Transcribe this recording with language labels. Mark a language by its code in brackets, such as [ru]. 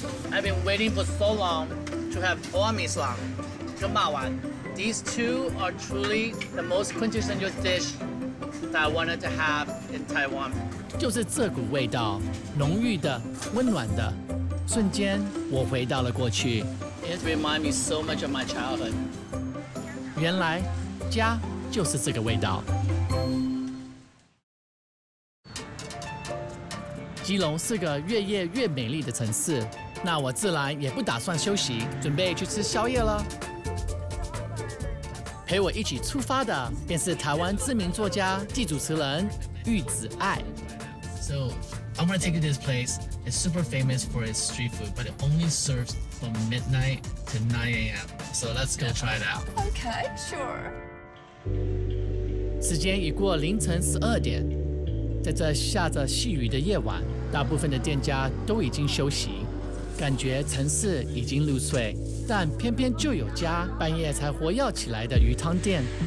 [en] I've been waiting for so long to have oamisuang 跟骂丸。 These two are truly the most quintessential dish that I wanted to have in Taiwan。 [zh] 就是这股味道，浓郁的、温暖的，瞬间我回到了过去。 [en] It reminds me so much of my childhood. [zh] 原来家就是这个味道。基隆是个越夜越美丽的城市，那我自然也不打算休息，准备去吃宵夜了。陪我一起出发的便是台湾知名作家暨主持人玉子爱。 [en] So, I'm gonna take you to this place. It's super famous for its street food, but it only serves from midnight to 9 a.m. So let's go try it out. Okay, sure. [zh] 时间已过凌晨12点，在这下着细雨的夜晚，大部分的店家都已经休息，感觉城市已经入睡，但偏偏就有家半夜才活跃起来的鱼汤店。